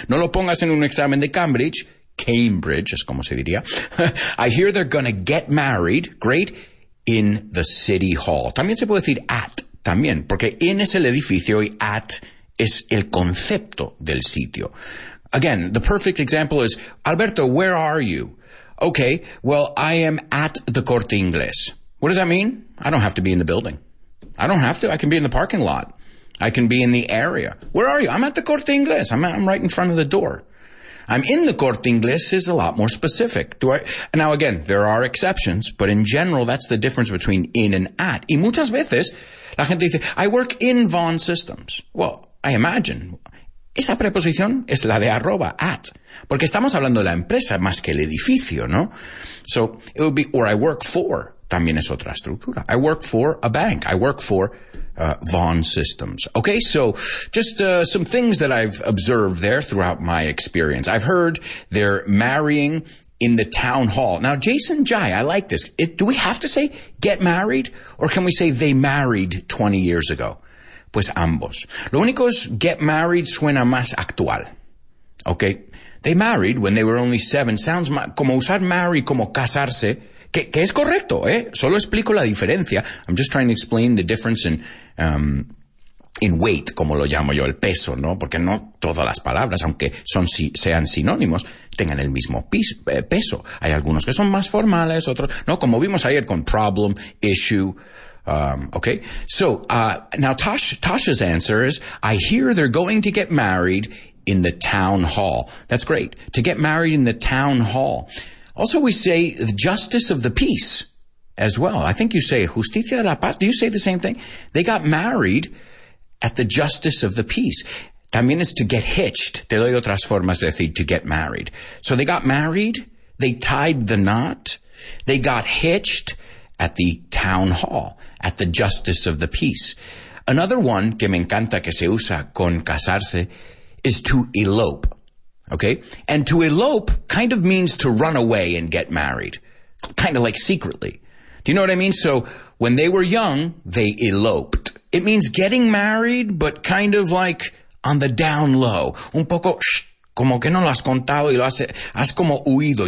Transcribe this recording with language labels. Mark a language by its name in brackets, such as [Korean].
[Spanish] No lo pongas en un examen de Cambridge. Cambridge, es como se diría. [English] I hear they're gonna get married, great, in the city hall. [Spanish] También se puede decir at, también, porque in es el edificio y at es el concepto del sitio. [English] Again, the perfect example is, Alberto, where are you? Okay, well, I am at the Corte Inglés. What does that mean? I don't have to be in the building. I don't have to. I can be in the parking lot. I can be in the area. Where are you? I'm at the Corte Inglés. I'm right in front of the door. I'm in the Corte Inglés is a lot more specific. Now, again, there are exceptions, but in general, that's the difference between in and at. [Spanish] Y muchas veces, la gente dice, [English] I work in Vaughn Systems. Well, I imagine. [Spanish] Esa preposición es la de arroba, at. Porque estamos hablando de la empresa más que el edificio, ¿no? [English] So, it would be, or I work for. [Spanish] También es otra estructura. [English] I work for a bank. I work for Vaughn Systems. Okay, so just some things that I've observed there throughout my experience. I've heard they're marrying in the town hall. Now, Jason Jai, I like this. Do we have to say get married? Or can we say they married 20 years ago? [Spanish] Pues ambos. Lo único es get married suena más actual. [English] Okay, they married when they were only 7. Sounds [Spanish] como usar marry como casarse. Que es correcto, ¿eh? Solo explico la diferencia. [English] I'm just trying to explain the difference in weight, [Spanish] como lo llamo yo, el peso, ¿no? Porque no todas las palabras, aunque sean sinónimos, tengan el mismo peso. Hay algunos que son más formales, otros, ¿no? Como vimos ayer con problem, issue, okay? [English] So, now Tasha's answer is, I hear they're going to get married in the town hall. That's great. To get married in the town hall. Also, we say the justice of the peace as well. I think you say [Spanish] justicia de la paz. [English] Do you say the same thing? They got married at the justice of the peace. También is to get hitched. [Spanish] Te doy otras formas de decir to get married. [English] So they got married. They tied the knot. They got hitched at the town hall, at the justice of the peace. Another one [Spanish] que me encanta que se usa con casarse [English] is to elope. Okay. And to elope kind of means to run away and get married. Kind of like secretly. Do you know what I mean? So when they were young, they eloped. It means getting married, but kind of like on the down low. [Spanish] Un poco, como que no lo has contado y lo has como huido.